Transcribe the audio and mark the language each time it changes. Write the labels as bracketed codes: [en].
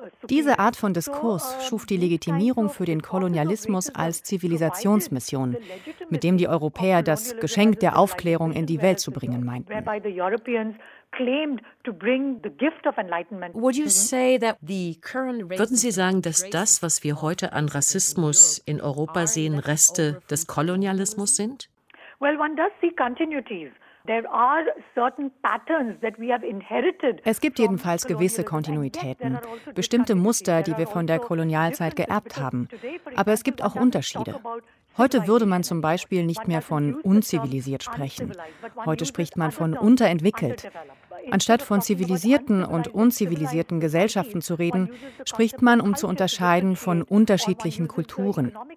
[de] Diese Art von Diskurs schuf die Legitimierung für den Kolonialismus als Zivilisationsmission, mit dem die Europäer das Geschenk der Aufklärung in die Welt zu bringen meinten. Würden Sie sagen, dass das, was wir heute an Rassismus in Europa sehen, Reste des Kolonialismus sind? [en] Well, one does see continuities. There are certain patterns that we have inherited. [de] Es gibt jedenfalls gewisse Kontinuitäten, bestimmte Muster, die wir von der Kolonialzeit geerbt haben. Aber es gibt auch Unterschiede. Heute würde man zum Beispiel nicht mehr von unzivilisiert sprechen. Heute spricht man von unterentwickelt. Anstatt von zivilisierten und unzivilisierten Gesellschaften zu reden, spricht man, um zu unterscheiden, von unterschiedlichen Kulturen.